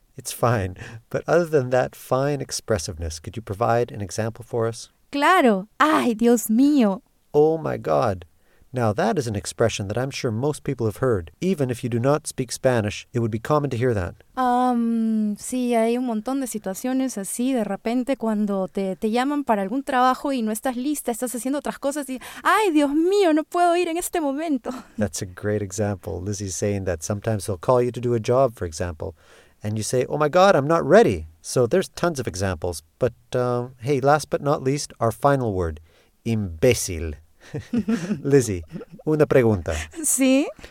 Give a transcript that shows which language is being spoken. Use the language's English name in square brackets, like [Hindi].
[English] It's fine. But other than that fine expressiveness, could you provide an example for us? [Spanish] Claro. Ay, Dios mío. [English] Oh, my God. Now, that is an expression that I'm sure most people have heard. Even if you do not speak Spanish, it would be common to hear that. [Spanish] Sí, hay un montón de situaciones así. De repente, cuando te llaman para algún trabajo y no estás lista, estás haciendo otras cosas y, ay, Dios mío, no puedo ir en este momento. [English] That's a great example. Lizzie's saying that sometimes he'll call you to do a job, for example. And you say, oh my God, I'm not ready. So there's tons of examples. But hey, last but not least, our final word, imbécil. [Spanish] Lizzie, una pregunta. Sí?